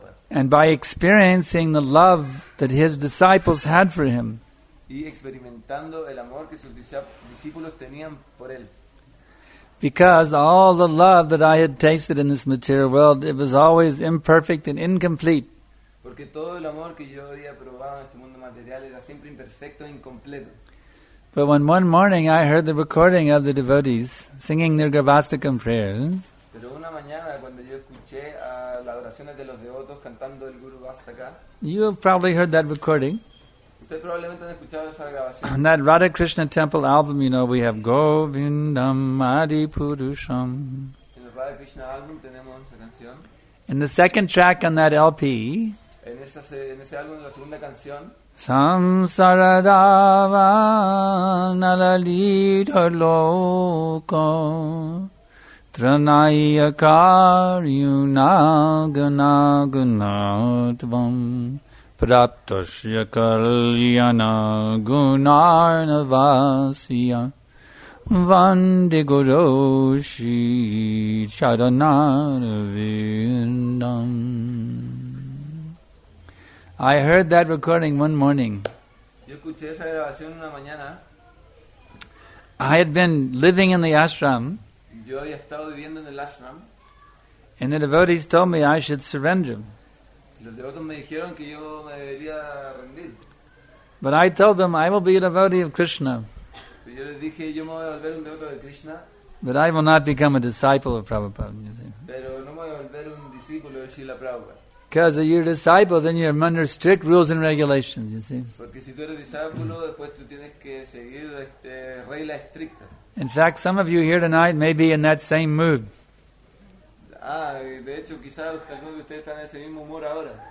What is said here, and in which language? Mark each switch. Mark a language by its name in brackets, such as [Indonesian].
[English] And by experiencing the love that his disciples had for him. [Spanish] Y experimentando el amor que sus discípulos tenían por él. [English] Because all the love that I had tasted in this material world, it was always imperfect and incomplete. [Spanish] Porque todo el amor que yo había probado en este mundo material era siempre imperfecto e incompleto. [English] But when one morning I heard the recording of the devotees singing their Gavastakam prayers. [Spanish] Pero una mañana cuando yo escuché a las oraciones de los devotos cantando el Guru Vastaka. [English] You have probably heard that recording. [Spanish] Ustedes probablemente han escuchado esa grabación. [English] On that Radha Krishna temple album, you know, we have Govindam Adi Purusham. [Spanish] En el Radha Krishna album tenemos esa canción. [English] In the second track on that LP. [Spanish] En ese álbum de la segunda canción. [Sanskrit] Samsara dava nalalita loko tranaya karyuna guna guna tvam praptasya kalyana gunarna vasya vande guru shi charanavindam. [English] I heard that recording one morning. [Spanish] Yo escuché esa grabación una mañana. [English] I had been living in the ashram. [Spanish] Yo había estado viviendo en el ashram. [English] And the devotees told me I should surrender. [Spanish] Los devotos me dijeron que yo me debería rendir. [English] But I told them I will be a devotee of Krishna. [Spanish] Yo les dije yo me voy a volver un devoto de Krishna. [English] But I will not become a disciple of Prabhupada. You see. [Spanish] Pero no me voy a volver un discípulo de Srila Prabhupada. [English] Because if you're a disciple, then you're under strict rules and regulations, you see. [Spanish] Porque si tú eres discípulo, después tú tienes que seguir reglas estrictas. [English] In fact, some of you here tonight may be in that same mood. [Spanish] Ah, de hecho, quizás algunos de ustedes están en ese mismo humor ahora.